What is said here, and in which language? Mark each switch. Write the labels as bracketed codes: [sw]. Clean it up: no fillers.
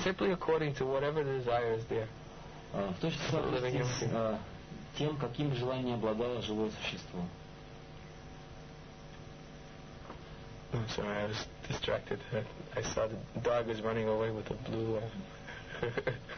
[en] Simply according to whatever the desire is there. [ru] В точности соответствует тем, каким желанием обладало живое существо. [en] I'm sorry, I was distracted. I saw the dog is running away with a blue one.